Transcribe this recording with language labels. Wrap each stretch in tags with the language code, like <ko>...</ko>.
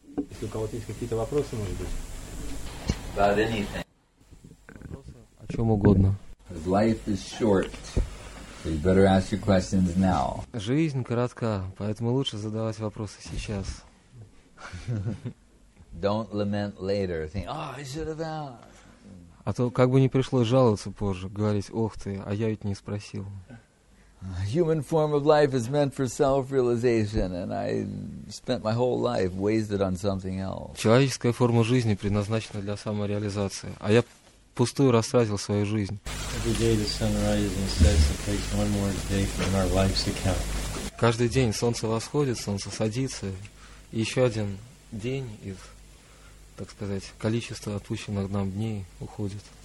<ru>Если у кого-то есть какие-то вопросы, может быть?</ru> <en>About anything.</en> <ru>О чем угодно.</ru> <en>Life is short, so you better ask your questions now.</en> <ru>Жизнь коротка, поэтому лучше задавать вопросы сейчас.</ru> <en>Don't lament later. Think, oh, I should have asked.</en> <ru>А то как бы не пришлось жаловаться позже, говорить, ох ты, а я ведь не спросил.</ru> <en>Human form of life is meant for self-realization, and I spent my whole life wasted on something else.</en> <ru>Человеческая форма жизни предназначена для самореализации, а я пустую растратил свою жизнь. Каждый день солнце восходит, солнце садится, и еще один день из, так сказать, количества отпущенных нам дней уходит.</ru>